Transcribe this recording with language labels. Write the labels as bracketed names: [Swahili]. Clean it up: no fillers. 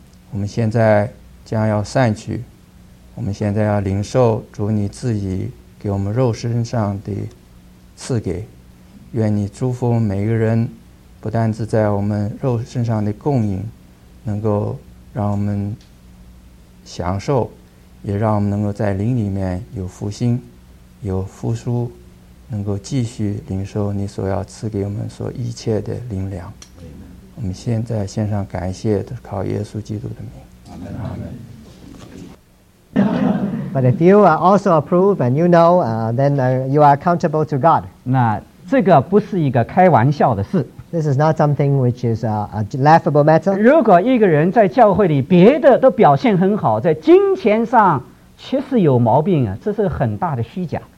[Chinese] 我们现在将要散去，我们现在要领受主你自己给我们肉身上的赐给，愿你祝福每个人，不但是在我们肉身上的供应能够让我们享受，也让我们能够在灵里面有复兴有复苏，能够继续领受你所要赐给我们所一切的灵粮。我们现在献上感谢，都是靠耶稣基督的名。阿门，阿门。 [English] But if you also approve and you know, then you are accountable to God. [Chinese] 那这个不是一个开玩笑的事。 [English] This is not something which is a laughable matter. [Chinese] 如果一个人在教会里别的都表现很好，在金钱上却是有毛病啊，这是很大的虚假。